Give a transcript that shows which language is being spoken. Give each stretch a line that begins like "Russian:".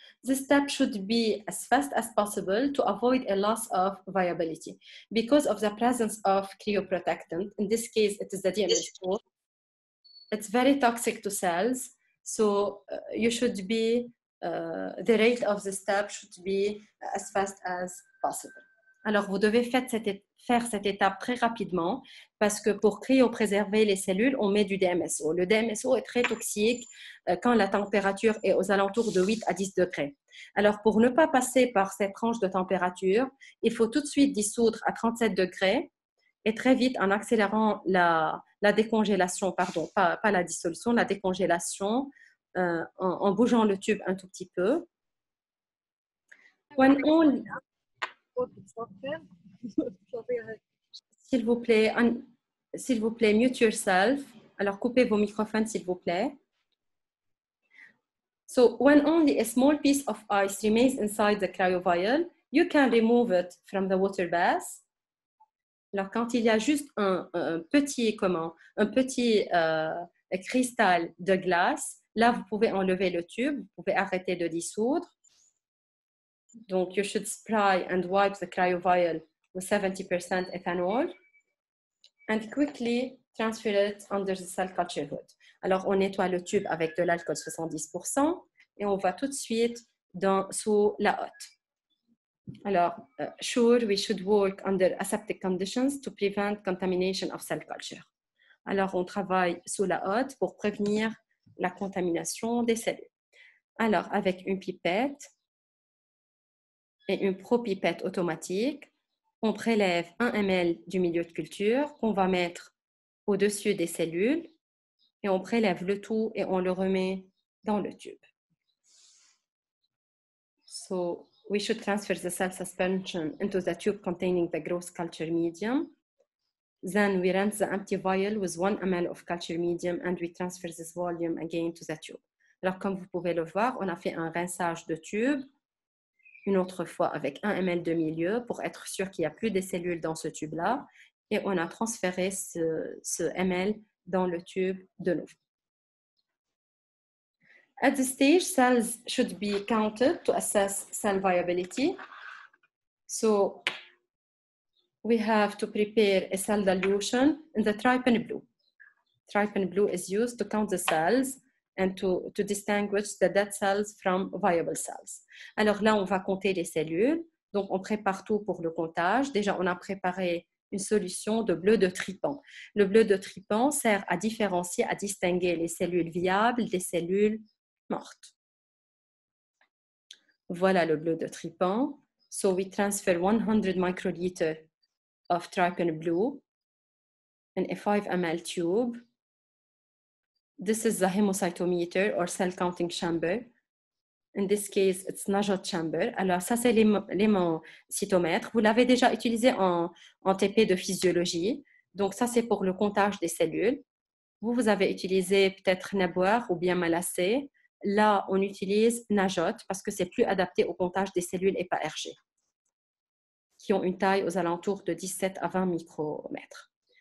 English: This step should be as fast as possible to avoid a loss of viability. Because of the presence of cryoprotectant, in this case, it is the DMSO, it's very toxic to cells. So you should be, the rate of the step should be as fast as possible.
French: Alors, vous devez faire cette étape très rapidement parce que pour cryopréserver les cellules, on met du DMSO. Le DMSO est très toxique quand la température est aux alentours de 8 à 10 degrés. Alors, pour ne pas passer par cette tranche de température, il faut tout de suite dissoudre à 37 degrés et très vite en accélérant la décongélation, en bougeant le tube un tout petit peu.
English: When only...
French: S'il vous plaît,
English: mute yourself.
French: Alors, coupez vos microphones, s'il vous plaît.
English: So, when only a small piece of ice remains inside the cryovial, you can remove it from the water bath.
French: Alors, quand il y a juste un petit cristal de glace, là, vous pouvez enlever le tube, vous pouvez arrêter de dissoudre.
English: Donc, you should spray and wipe the cryovial with 70% ethanol and quickly transfer it under the cell culture hood.
French: Alors, on nettoie le tube avec de l'alcool 70% et on va tout de suite sous la hotte.
English: Alors, sure, we should work under aseptic conditions to prevent contamination of cell culture.
French: Alors, on travaille sous la hotte pour prévenir la contamination des cellules. Alors, avec une pipette, et une pro-pipette automatique, on prélève 1 ml du milieu de culture qu'on va mettre au-dessus des cellules et on prélève le tout et on le remet dans le tube.
English: So, we should transfer the cell suspension into the tube containing the growth culture medium. Then, we rinse the empty vial with 1 ml of culture medium and we transfer this volume again to the tube.
French: Alors, comme vous pouvez le voir, on a fait un rinçage de tube une autre fois avec 1 ml de milieu pour être sûr qu'il n'y a plus de cellules dans ce tube-là. Et on a transféré ce ml dans le tube de nouveau.
English: At this stage, cells should be counted to assess cell viability. So, we have to prepare a cell dilution in the trypan blue. Trypan blue is used to count the cells and to distinguish the dead cells from viable cells.
French: Alors là, on va compter les cellules. Donc, on prépare tout pour le comptage. Déjà, on a préparé une solution de bleu de trypan. Le bleu de trypan sert à différencier, à distinguer les cellules viables des cellules mortes. Voilà le bleu de trypan.
English: So we transfer 100 microliters of trypan blue in a 5 ml tube. This is the hemocytometer or cell counting chamber. In this case, it's Najot chamber.
French: Alors ça, c'est l'hémocytomètre. Vous l'avez déjà utilisé en TP de physiologie. Donc ça, c'est pour le comptage des cellules. Vous avez utilisé peut-être Naboard ou bien Malassé. Là, on utilise Najot parce que c'est plus adapté au comptage des cellules EPA-RG qui ont une taille aux alentours de 17 à 20 micromètres.